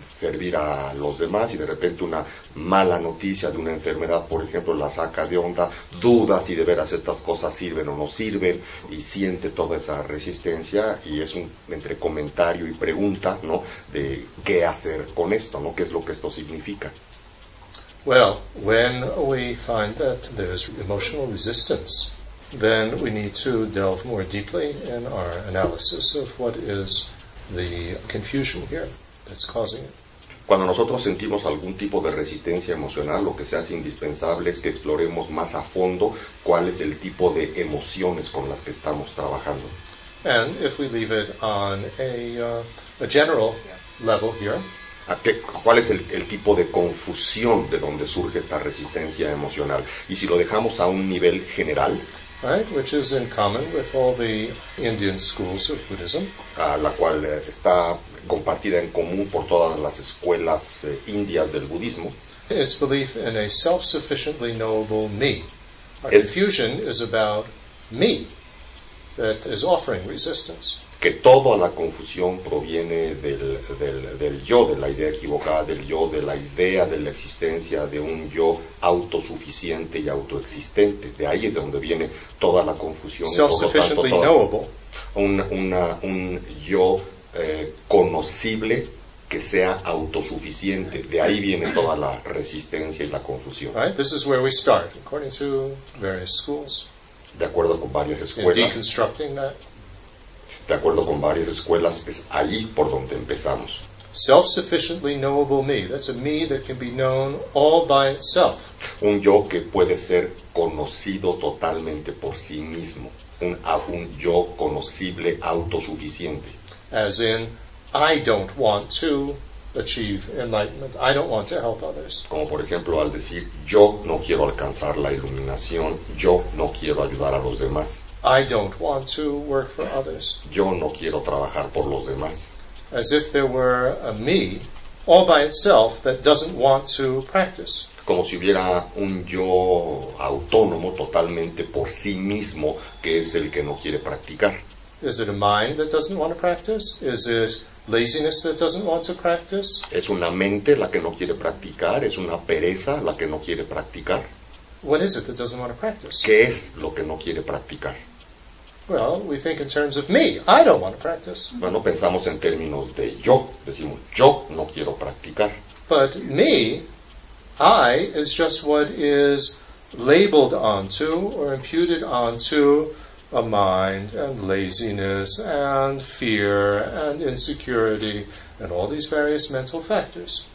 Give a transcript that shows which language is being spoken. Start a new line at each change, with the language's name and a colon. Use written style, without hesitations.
Spanish: servir a los demás, y de repente una mala noticia de una enfermedad, por ejemplo, la saca de onda, duda si de veras estas cosas sirven o no sirven, y siente toda esa resistencia, y es un entre comentario y pregunta, ¿no?, de qué hacer con esto, ¿no?, qué es lo que esto significa.
English: Well, when we find that there's emotional resistance, then we need to delve more deeply in our analysis of what is the confusion here that's causing it.
Spanish: Cuando nosotros sentimos algún tipo de resistencia emocional, lo que se hace indispensable es que exploremos más a fondo cuál es el tipo de emociones con las que estamos trabajando.
English: And if we leave it on a general level here,
Spanish: ¿cuál es el tipo de confusión de donde surge esta resistencia emocional? Y si lo dejamos a un nivel general,
English: right, which is in common with all the Indian schools of Buddhism,
Spanish: la cual está compartida en común por todas las escuelas indias del budismo.
English: It's belief in a self-sufficiently knowable me. Confusion is about me that is offering resistance.
Spanish: Que toda la confusión proviene del yo, de la idea equivocada del yo, de la idea de la existencia de un yo autosuficiente y autoexistente. De ahí es de donde viene toda la confusión.
English: Self-sufficiently knowable.
Spanish: Un yo conocible que sea autosuficiente. De ahí viene toda la resistencia y la confusión.
English: Right? This is where we start, according to various schools.
Spanish: De acuerdo con varias escuelas.
English: In deconstructing that.
Spanish: De acuerdo con varias escuelas, es allí por donde empezamos.
English: Self-sufficiently knowable me. That's a me that can be known all by itself.
Spanish: Un yo que puede ser conocido totalmente por sí mismo. Un yo conocible autosuficiente.
English: As in, I don't want to achieve enlightenment. I don't want to help others.
Spanish: Como por ejemplo al decir, yo no quiero alcanzar la iluminación. Yo no quiero ayudar a los demás.
English: I don't want to work for others.
Spanish: Yo no quiero trabajar por los demás.
English: As if there were a me all by itself that doesn't want to practice.
Spanish: Como si hubiera un yo autónomo totalmente por sí mismo que es el que no quiere practicar.
English: Is it a mind that doesn't want to practice? Is it laziness that doesn't want to practice?
Spanish: ¿Es una mente la que no quiere practicar? ¿Es una pereza la que no quiere practicar?
English: What is it that doesn't want to practice?
Spanish: ¿Qué es lo que no quiere practicar?
English: Well, we think in terms of me. I don't want to practice.
Spanish: Bueno, pensamos en términos de yo. Decimos, yo no quiero practicar.
English: But me, I, is just what is labeled onto or imputed onto a mind and laziness and fear and insecurity and all these various mental factors.